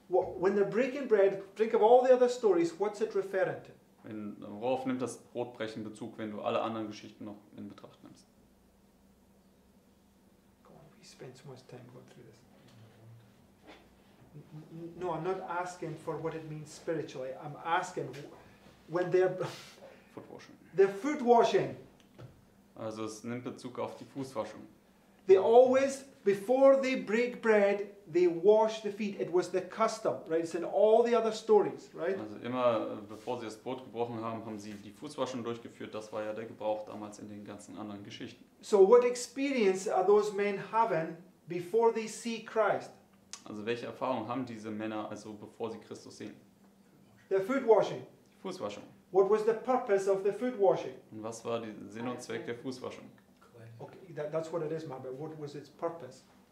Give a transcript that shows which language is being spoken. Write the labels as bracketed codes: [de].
[en] When they're breaking bread, think of all the other stories, what's it referring to? [de] Worauf nimmt das Brotbrechen Bezug, wenn du alle anderen Geschichten noch in Betracht nimmst? [en] spend so much time going through this. No, I'm not asking for what it means spiritually. I'm asking when they're... Foot washing. They're foot washing. [de] Also es nimmt Bezug auf die Fußwaschung. [en] They always, before they break bread, they wash the feet. It was the custom, right? It's in all the other stories, right? [de] Also immer, bevor sie das Brot gebrochen haben, haben sie die Fußwaschung durchgeführt. Das war ja der Gebrauch damals in den ganzen anderen Geschichten. [en] So what experience are those men having before they see Christ? [de] Also welche Erfahrung haben diese Männer, also bevor sie Christus sehen? [en] The foot washing. [de] Die Fußwaschung. [en] What was the purpose of the foot washing? [de] Und was war der Sinn und Zweck der Fußwaschung? [en] Okay, that's what it is, man, but what was its purpose?